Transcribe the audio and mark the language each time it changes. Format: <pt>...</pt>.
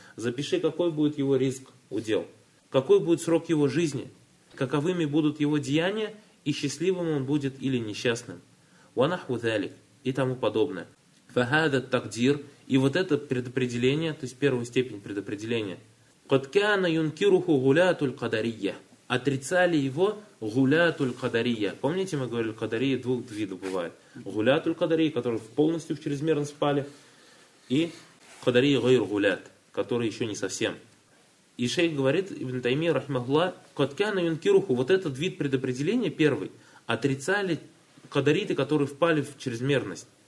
<ru>Запиши, какой будет его риск, удел. Какой будет срок его жизни, каковыми будут его деяния, и счастливым он будет или несчастным.</ru> <ar>وَنَحْوُ ذَلِكَ,</ar> <ru>и тому подобное.</ru> <ar>فَهَذَا التَّقْدِيرُ,</ar> <ru>и вот это предопределение, то есть первую степень предопределения.</ru> <ar>قَدْ كَانَ يُنْكِرُهُ غُلَاتُ الْقَدَرِيَّ,</ar> <ru>отрицали его</ru> <ar>غُلَاتُ الْقَدَرِيَّ.</ar> <ru>Помните, мы говорили, кадарии двух видов бывает.</ru> <ar>غُلَاتُ الْقَدَرِيَّ,</ar> <ru>которые полностью в чрезмерно спали, и</ru> <ar>قَدَرِيَّ غَيْرُ غُلَات,</ar> <ru>которые еще не совсем. И шейх говорит, ибн Таймия рахмахулла,</ru> <ar>«Коткяна юнкируху»,</ar> <ru>вот этот вид предопределения первый, отрицали кадариты, которые впали в чрезмерность.</ru>